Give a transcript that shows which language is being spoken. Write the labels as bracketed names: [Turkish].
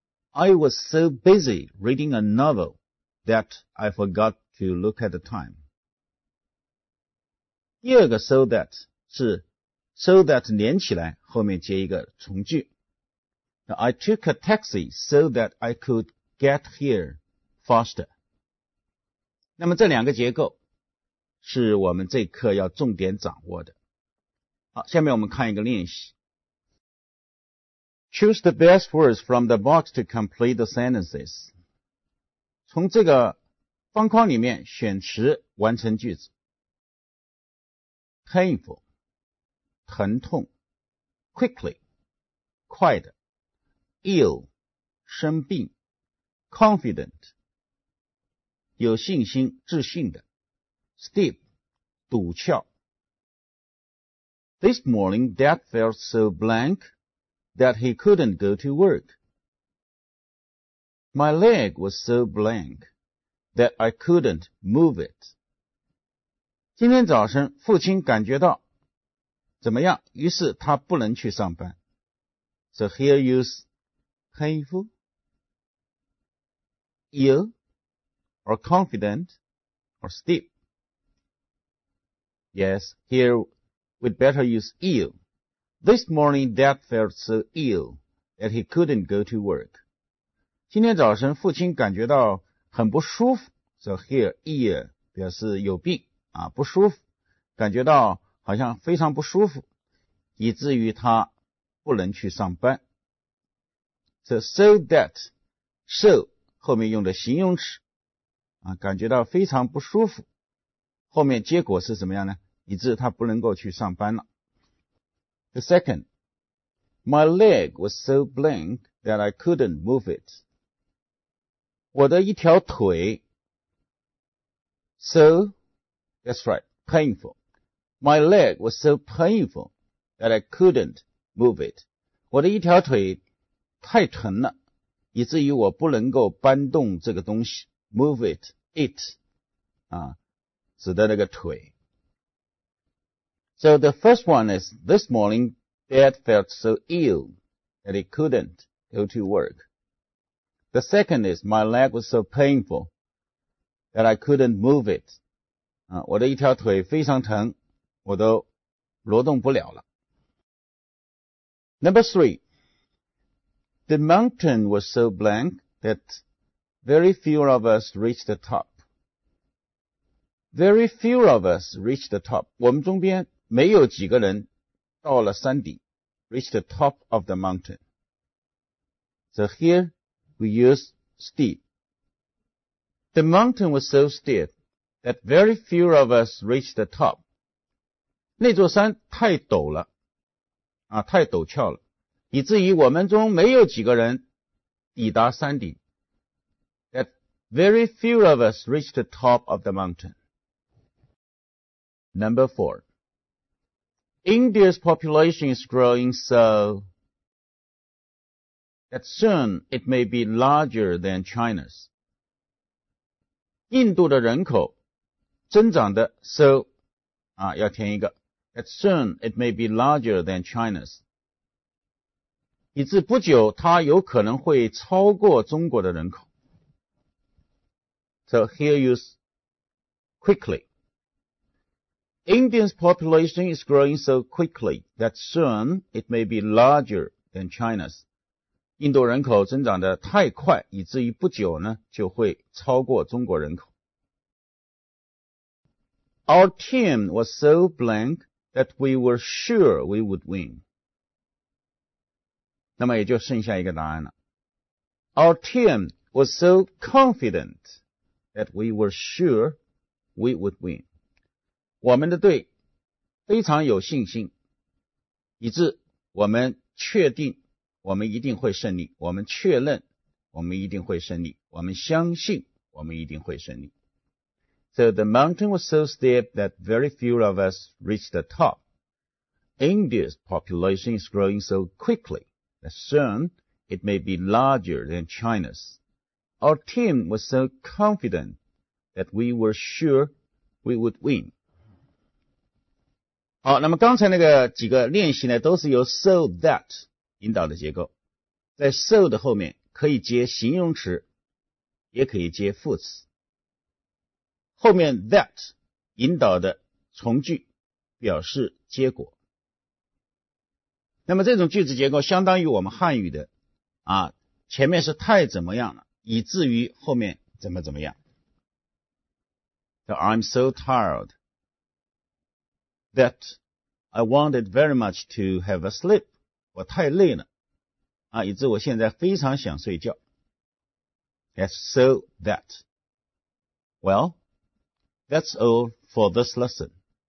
[English] I was so busy reading a novel that I forgot to look at the time. [Chinese] 第二个 so that 是 so that 连起来后面接一个从句。 [English] Now, I took a taxi so that I could get here faster. [Chinese] 那么这两个结构是我们这课要重点掌握的。好，下面我们看一个练习。 [English] Choose the best words from the box to complete the sentences. [Chinese] 从这个方框里面选词完成句子。 Painful, 疼痛。Quickly, 快的。 [English] Ill, 生病。Confident, [Chinese] 有信心、自信的。 Steep, 陡峭。 [English] This morning, Dad felt so blank that he couldn't go to work. My leg was so blank that I couldn't move it. [Chinese] 今天早晨，父亲感觉到怎么样，于是他不能去上班。 [English] So here is painful, ill, or confident, or steep. Yes, here we'd better use ill. This morning, Dad felt so ill that he couldn't go to work. [Chinese] 今天早晨父亲感觉到很不舒服。 [English] So here, ill, [Chinese] 表示有病啊，不舒服，感觉到好像非常不舒服，以至于他不能去上班。 [English] So that, so, [Chinese] 后面用的形容词。啊，感觉到非常不舒服，后面结果是怎么样呢？以致他不能够去上班了。 [English] The second, my leg was so blank that I couldn't move it. [Chinese] 我的一条腿 [English] so, that's right, painful. My leg was so painful that I couldn't move it. [Chinese] 我的一条腿太疼了，以至于我不能够搬动这个东西。 [English] Move it, it, [Chinese] 啊，指的那个腿。 [English] So the first one is, this morning, Dad felt so ill that he couldn't go to work. The second is, my leg was so painful that I couldn't move it. [Chinese] 啊，我的一条腿非常疼，我都挪动不了了。 [English] Number three, the mountain was so blank thatVery few of us reached the top. Very few of us reached the top. [Chinese] 我们中间没有几个人到了山顶， [English] reached the top of the mountain. So here we use steep. The mountain was so steep that very few of us reached the top. [Chinese] 那座山太陡了，啊，太陡峭了，以至于我们中没有几个人抵达山顶。 [English] Very few of us reached the top of the mountain. Number four. India's population is growing so that soon it may be larger than China's. [Chinese] 印度的人口增长的 so, 啊要填一个 [English] that soon it may be larger than China's. [Chinese] 以至不久它有可能会超过中国的人口。 [English] So here you use quickly. India's population is growing so quickly that soon it may be larger than China's. [Chinese] 印度人口增长得太快，以至于不久呢就会超过中国人口。 [English] Our team was so blank that we were sure we would win. [Chinese] 那么也就剩下一个答案了。 [English] Our team was so confident that we were sure we would win. [Chinese] 我们的队非常有信心，以致我们确定我们一定会胜利，我们确认我们一定会胜利，我们相信我们一定会胜利。 [English] So the mountain was so steep that very few of us reached the top. India's population is growing so quickly that soon it may be larger than China's. Our team was so confident that we were sure we would win. [Chinese] 好，那么刚才那个几个练习呢，都是由 so that 引导的结构，在 so 的后面可以接形容词，也可以接副词。后面 that 引导的从句表示结果。那么这种句子结构相当于我们汉语的啊，前面是太怎么样了，以至于后面怎么怎么样。 [English] So I'm so tired that I wanted very much to have a sleep. [Chinese] 我太累了啊，以致我现在非常想睡觉。 [English] That's so that. Well, that's all for this lesson.